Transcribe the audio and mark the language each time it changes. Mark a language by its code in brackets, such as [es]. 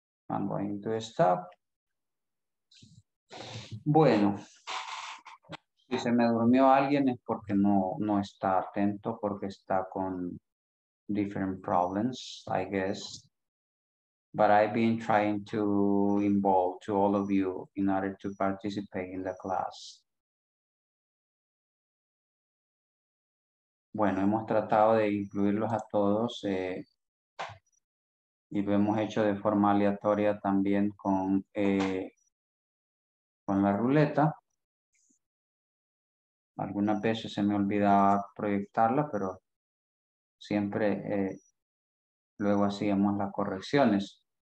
[en] I'm going to stop. [es] Bueno. Si se me durmió alguien es porque no está atento, porque está con [en] different problems, I guess. But I've been trying to involve to all of you in order to participate in the class. [es] Bueno, hemos tratado de incluirlos a todos y lo hemos hecho de forma aleatoria también con la ruleta. Algunas veces se me olvida proyectarla, pero siempre luego hacíamos las correcciones.